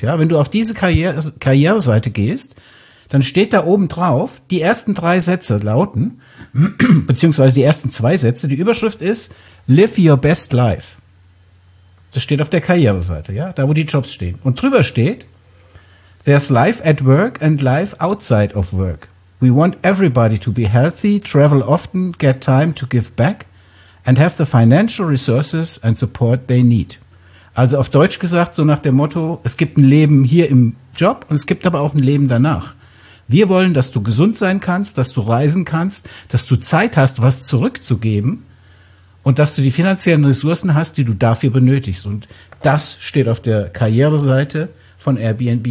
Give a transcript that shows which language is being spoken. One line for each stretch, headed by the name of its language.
German: Ja, wenn du auf diese Karriere-Seite gehst, dann steht da oben drauf, die ersten 3 Sätze lauten, beziehungsweise die ersten 2 Sätze, die Überschrift ist,
English: live your best life.
German: Das steht auf der Karriereseite, ja, da wo die Jobs stehen.
English: Und drüber steht, there's life at work and life outside of work. We want everybody to be healthy, travel often, get time to give back and have the financial resources and support they need.
German: Also auf Deutsch gesagt, so nach dem Motto, es gibt ein Leben hier im Job und es gibt aber auch ein Leben danach. Wir wollen, dass du gesund sein kannst, dass du reisen kannst, dass du Zeit hast, was zurückzugeben und dass du die finanziellen Ressourcen hast, die du dafür benötigst. Und das steht auf der Karriereseite von Airbnb.